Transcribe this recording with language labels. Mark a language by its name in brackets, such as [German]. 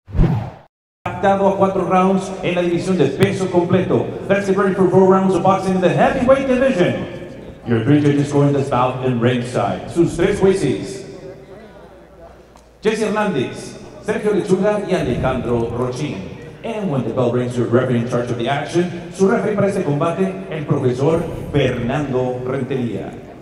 [Spanish] impactado a cuatro rounds en la división de peso completo. [English] That's it, ready for four rounds of boxing in the heavyweight division. Your three judges going this bout in ringside. [Spanish] Sus tres jueces. Jesse Hernandez, Sergio Lechuga y Alejandro Rochín. [English] And when the bell rings, your referee in charge of the action. [Spanish] Su referee para este combate, el profesor Fernando Rentería.